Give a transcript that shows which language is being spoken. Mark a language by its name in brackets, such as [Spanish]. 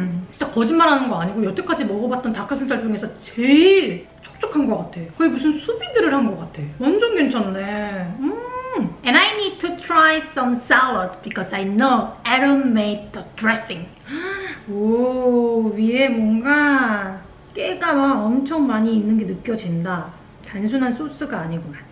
[Korean] 진짜 거짓말하는 거 아니고 여태까지 먹어봤던 닭가슴살 중에서 제일 촉촉한 것 같아. 거의 무슨 수비드를 한 것 같아. 완전 괜찮네. [English] And I need to try some salad because I know Adam made the dressing. [Korean] 오, 위에 뭔가 깨가 막 엄청 많이 있는 게 느껴진다. 단순한 소스가 아니구나.